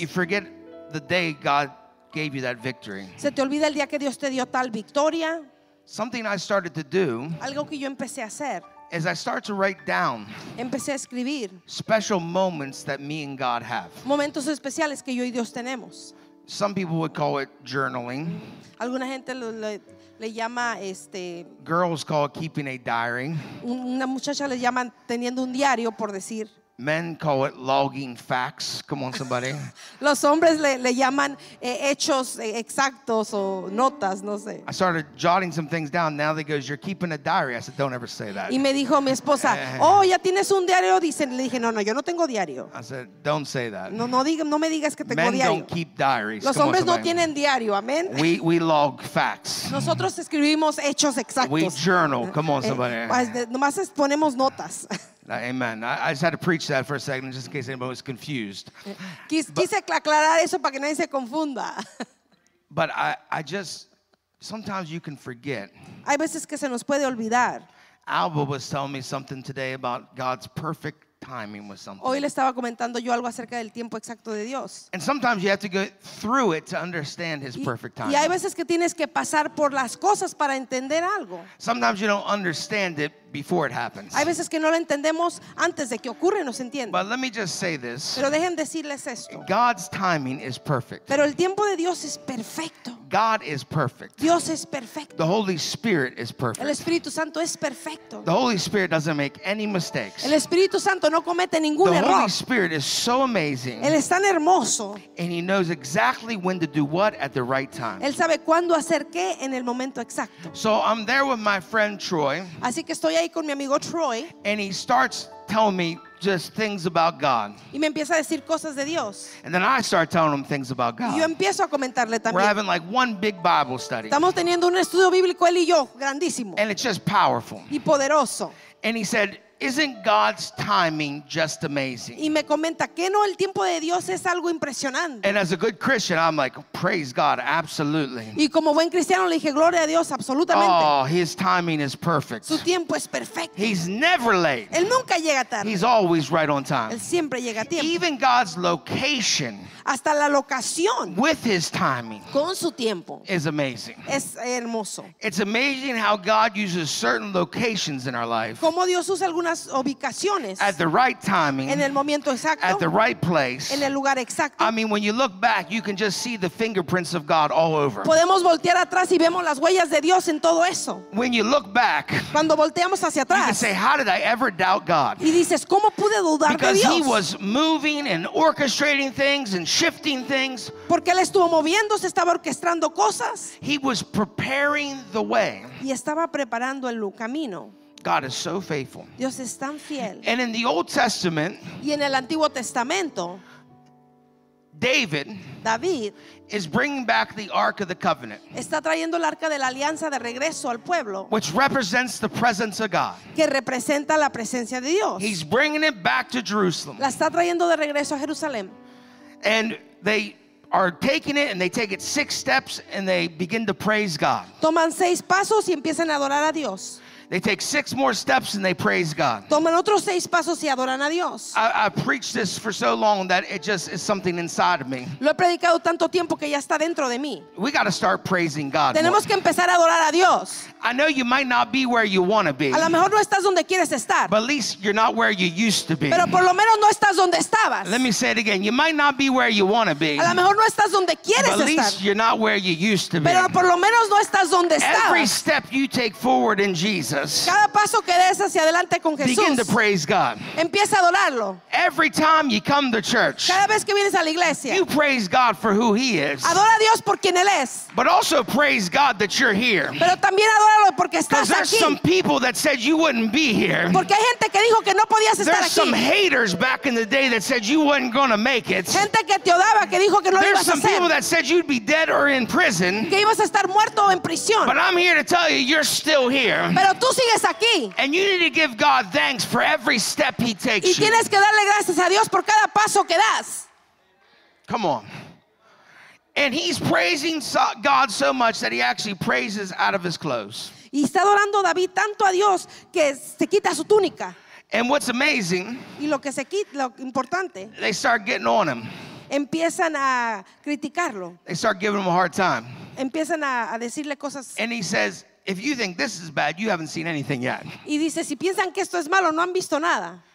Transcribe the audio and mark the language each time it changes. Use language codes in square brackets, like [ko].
[en] You forget the day God gave you that victory. [es] Se te olvida el día que Dios te dio tal victoria. [en] Something I started to do. [es] Algo que yo empecé a hacer. [en] As I start to write down. [es] Empecé a escribir. [en] Special moments that me and God have. [es] Momentos especiales que yo y Dios tenemos. [en] Some people would call it journaling. [es] Alguna gente le llama [en] Girls call it keeping a diary. [es] Una muchacha le llaman teniendo un diario por decir. [en] Men call it logging facts. Come on, somebody. [es] Los hombres le llaman hechos exactos o notas, no sé. [en] I started jotting some things down. Now they goes, you're keeping a diary. I said, don't ever say that. [es] Y me dijo mi esposa, oh, ya tienes un diario. Dicen, le dije, no, yo no tengo diario. [en] I said, don't say that. [es] No me digas que tengo [en] Men [es] diario. [en] Men don't keep diaries. [es] Los hombres no tienen diario. Amen. [en] We log facts. [es] Nosotros escribimos hechos exactos. [en] We journal. Come on, somebody. [es] Nomás ponemos notas. [en] Amen. I just had to preach that for a second just in case anybody was confused. [es] Quise aclarar eso para que nadie se confunda. [en] But I just, sometimes you can forget. [es] Hay veces que se nos puede olvidar. [en] Alba was telling me something today about God's perfect timing with something. [es] Hoy le estaba comentando yo algo acerca del tiempo exacto de Dios. [en] And sometimes you have to go through it to understand His perfect timing. [es] Y hay veces que tienes que pasar por las cosas para entender algo. [en] Sometimes you don't understand it before it happens. [es] Hay veces que no lo entendemos antes de que ocurre, no se entiende. [en] But let me just say this. [es] Pero dejen decirles esto. [en] God's timing is perfect. [es] Pero el tiempo de Dios es perfecto. [en] God is perfect. [es] Dios es perfecto. [en] The Holy Spirit is perfect. [es] El Espíritu Santo es perfecto. [en] The Holy Spirit doesn't make any mistakes. [es] El Espíritu Santo no comete ningún error. [en] The Holy Spirit is so amazing. [es] Él es tan hermoso. [en] And He knows exactly when to do what at the right time. [es] Él sabe cuándo hacer qué en el momento exacto. [en] So I'm there with my friend Troy. [es] Así que estoy ahí con mi amigo Troy. [en] And he starts telling me just things about God. [es] Y me empieza a decir cosas de Dios. [en] And then I start telling him things about God. [es] Y yo empiezo a comentarle también. [en] We're having like one big Bible study. [es] Estamos teniendo un estudio bíblico él y yo, grandísimo. [en] And it's just powerful. [es] Y poderoso. [en] And he said, "Isn't God's timing just amazing?" [es] Y me comenta que no el tiempo de Dios es algo impresionante. [en] And as a good Christian, I'm like, "Praise God, absolutely." [es] Y como buen cristiano le dije, "Gloria a Dios, absolutamente." [en] Oh, His timing is perfect. [es] Su tiempo es perfecto. [en] He's never late. [es] Él nunca llega tarde. [en] He's always right on time. [es] Él siempre llega a tiempo. [en] Even God's location. [es] Hasta la locación. [en] With His timing. [es] Con su tiempo. [en] Is amazing. [es] Es hermoso. [en] It's amazing how God uses certain locations in our life. [es] Como Dios usa [en] at the right timing, [es] en el momento exacto, [en] at the right place, [es] en el lugar exacto. [en] I mean, when you look back, you can just see the fingerprints of God all over. [es] Podemos voltear atrás y vemos las huellas de Dios en todo eso. [en] When you look back, [es] cuando volteamos hacia atrás, [en] you can say, "How did I ever doubt God?" [es] Y dices, ¿cómo pude dudar [en] because [es] de Dios? [en] He was moving and orchestrating things and shifting things. [es] Porque él estuvo moviendo, se estaba orquestando cosas. [en] He was preparing the way. [es] Y estaba preparando el camino. [en] God is so faithful. [es] Dios es tan fiel. [en] And in the Old Testament, [es] y en el Antiguo Testamento, [en] David is bringing back the Ark of the Covenant, [es] está trayendo el Arca de la Alianza de regreso al pueblo, [en] which represents the presence of God. [es] Que representa la presencia de Dios. [en] He's bringing it back to Jerusalem. [es] La está trayendo de regreso a Jerusalén. [en] And they are taking it and they take it six steps and they begin to praise God. [es] Toman seis pasos y empiezan a adorar a Dios. [en] They take six more steps and they praise God. [es] Toman otros seis pasos y adoran a Dios. [en] I preached this for so long that it just is something inside of me. [es] Lo he predicado tanto tiempo que ya está dentro de mí. [en] We got to start praising God. [es] Tenemos Que empezar a adorar a Dios. [en] I know you might not be where you want to be. [es] A lo mejor no estás donde quieres estar. [en] But at least you're not where you used to be. [es] Pero por lo menos no estás donde estabas. [en] Let me say it again. You might not be where you want to be. [es] A lo mejor no estás donde quieres estar. [en] But at least [es] estar. [en] You're not where you used to be. [es] Pero por lo menos no estás donde estabas. [en] Every step you take forward in Jesus. [es] Cada paso que des hacia adelante con Jesús. [en] Begin to praise God. [es] Empieza a adorarlo. [en] Every time you come to church. [es] Cada vez que vienes a la iglesia. [en] You praise God for who He is. [es] Adora a Dios por quien él es. [en] But also praise God that you're here. [es] Pero también adóralo porque estás aquí. [en] Because there's some people that said you wouldn't be here. [es] Porque hay gente que dijo que no podías estar aquí. [en] There's some haters back in the day that said you weren't going to make it. [es] Gente que te odiaba que dijo que no ibas a ser. [en] There's some people that said you'd be dead or in prison. [es] Que ibas a estar muerto o en prisión. [en] But I'm here to tell you you're still here. [es] Pero tú sigues aquí. [en] And you need to give God thanks for every step He takes. [es] Y tienes que darle gracias a Dios por cada paso que das. [en] Come on. And he's praising God so much that he actually praises out of his clothes. [es] Y está adorando David tanto a Dios que se quita su túnica. [en] And what's amazing? [es] Y lo que se quita, lo importante. [en] They start getting on him. [es] Empiezan a criticarlo. [en] They start giving him a hard time. [es] Empiezan a decirle cosas. [en] And he says, "If you think this is bad, you haven't seen anything yet." [es] Y dice, si piensan que esto es malo, no han visto nada.